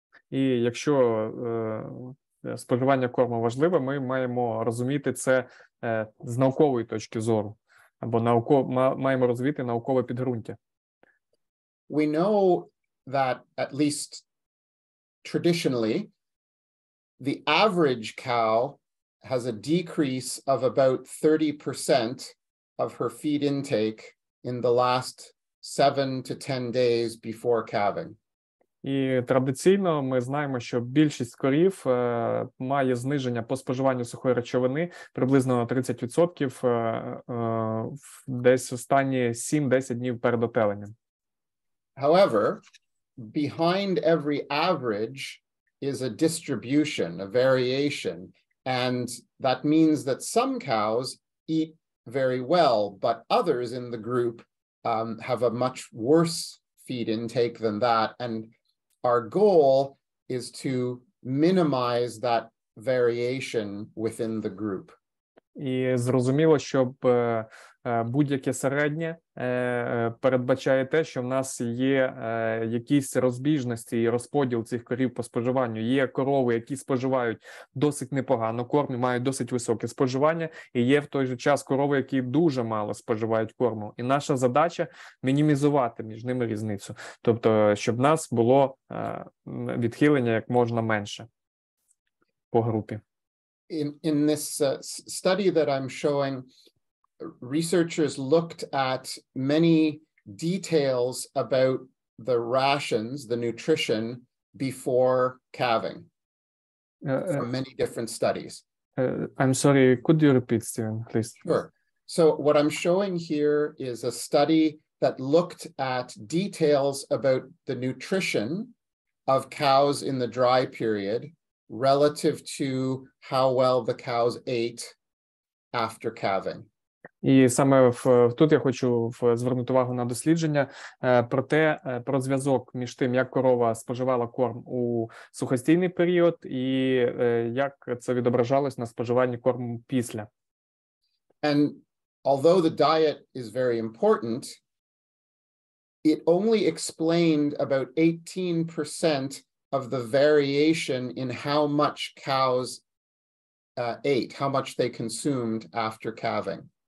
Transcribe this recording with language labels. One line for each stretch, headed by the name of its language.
Ukrainian: І якщо споживання корму важливе, ми маємо розуміти це з наукової точки зору, або маємо розуміти наукове підґрунтя.
English: We know that at least traditionally the average cow has a decrease of about 30% of her feed intake in the last 7 to 10 days before calving.
Ukrainian: І традиційно ми знаємо, що більшість корів має зниження по споживанню сухої речовини приблизно на 30% десь останні 7-10 днів перед отеленням.
English: However, behind every average is a distribution, a variation, and that means that some cows eat very well, but others in the group have a much worse feed intake than that, and our goal is to minimize that variation within the group.
Ukrainian: І зрозуміло, що будь-яке середнє передбачає те, що в нас є якісь розбіжності і розподіл цих корів по споживанню. Є корови, які споживають досить непогано корм, мають досить високе споживання, і є в той же час корови, які дуже мало споживають корму. І наша задача – мінімізувати між ними різницю. Тобто, щоб в нас було відхилення як можна менше по групі.
English: In this study that I'm showing, researchers looked at many details about the rations, the nutrition, before calving, from many different studies. I'm sorry, could you repeat, Steven, please? Sure. So what I'm showing here is a study that looked at details about the nutrition of cows in the dry period relative to how well the cows ate after calving.
Ukrainian: І саме тут я хочу звернути увагу на дослідження про зв'язок між тим, як корова споживала корм у сухостійний період і як це відображалось на споживанні корму після.
English: And although the diet is very important, it only explained about 18% of the variation in how much cows ate, how much they consumed after calving.